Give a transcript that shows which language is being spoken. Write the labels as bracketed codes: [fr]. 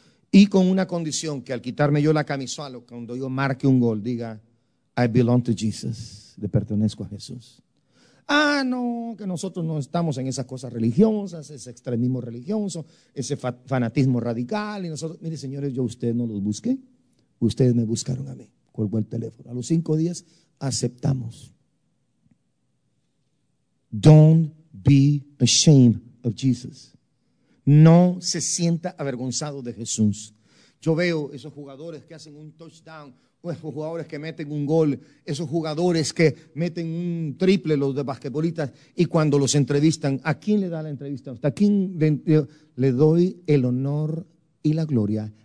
[es] Y con una condición que al quitarme yo la camisola, cuando yo marque un gol, diga, [en] I belong to Jesus, [es] le pertenezco a Jesús. Ah, no, que nosotros no estamos en esas cosas religiosas, ese extremismo religioso, ese fanatismo radical. Y nosotros, mire, señores, yo a ustedes no los busqué, ustedes me buscaron a mí. Colgó el teléfono. A los 5 días aceptamos. [en] Don't be ashamed of Jesus. [es] No se sienta avergonzado de Jesús. Yo veo esos jugadores que hacen un touchdown, esos jugadores que meten un gol, esos jugadores que meten un triple, los de basquetbolistas, y cuando los entrevistan, ¿a quién le da la entrevista? ¿A quién le doy el honor y la gloria?